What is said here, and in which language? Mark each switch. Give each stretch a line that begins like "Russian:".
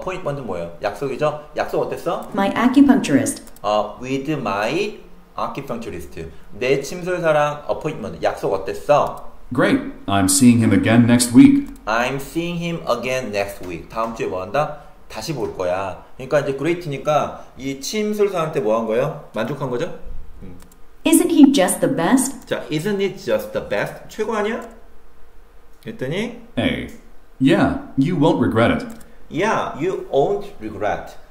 Korean: Appointment 뭐예요? 약속이죠? 약속 어땠어?
English: My acupuncturist.
Korean: With my acupuncturist. 내 침술사랑 appointment. 약속 어땠어?
English: Great. I'm seeing him again next week. I'm seeing him again next week.
Korean: 다음 주에 뭐 한다? 다시 볼 거야. 그러니까 이제 great니까 이 침술사한테 뭐한 거예요? 만족한 거죠?
English: Isn't he just the best?
Korean: 자,
English: isn't it just the best?
Korean: 최고 아니야? 그랬더니
English: A. Yeah, you won't regret it. Yeah, you won't regret.